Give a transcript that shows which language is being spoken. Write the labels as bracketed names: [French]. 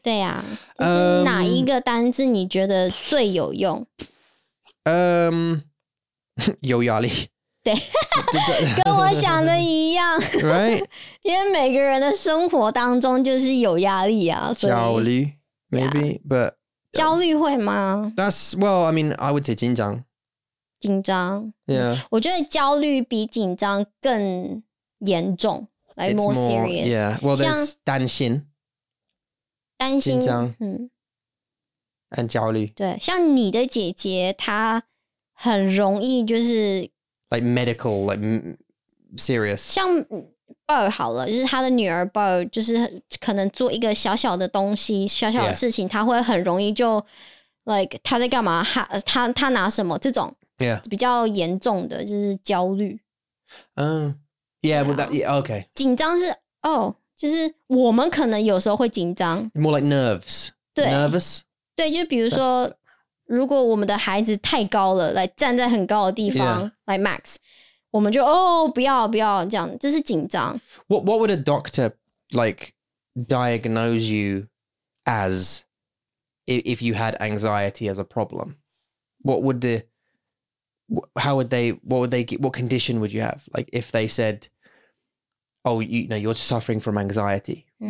[Chinese] 对啊,是哪一个单字你觉得最有用? 有压力。对，跟我想的一样 [English] ，right？ [Chinese] 因为每个人的生活当中就是有压力啊，所以焦虑 ， [English] maybe， but [Chinese] 焦虑会吗 [English] ？That's well, I mean, I would say 紧张， [Chinese] 紧张 [English] ，yeah。 [Chinese] 我觉得焦虑比紧张更严重 ， [English] like more serious。 Yeah, well, there's 担心， [Chinese] 担心，紧张，很焦虑。对，像你的姐姐，她很容易就是。 [English] Like medical, like serious. [Chinese] 像 Bo 好了，就是他的女儿 Bo， 就是可能做一个小小的东西、小小的事情， yeah. 他会很容易就 ，like 他在干嘛？他拿什么？这种 [English] ，yeah， [Chinese] 比较严重的就是焦虑。 [English] Yeah, but that, yeah, okay. [Chinese] 紧张是哦，就是我们可能有时候会紧张。 [English] More like nerves. [Chinese] 对 [English] ，nervous. [Chinese] 对，就比如说。That's... 如果我们的孩子太高了，来站在很高的地方、yeah. ，like Max， 我们就哦，不要不要这样，这是紧张。 [English] What would a doctor like diagnose you as if you had anxiety as a problem? What condition would you have? Like if they said, oh, you know, you're suffering from anxiety,、mm.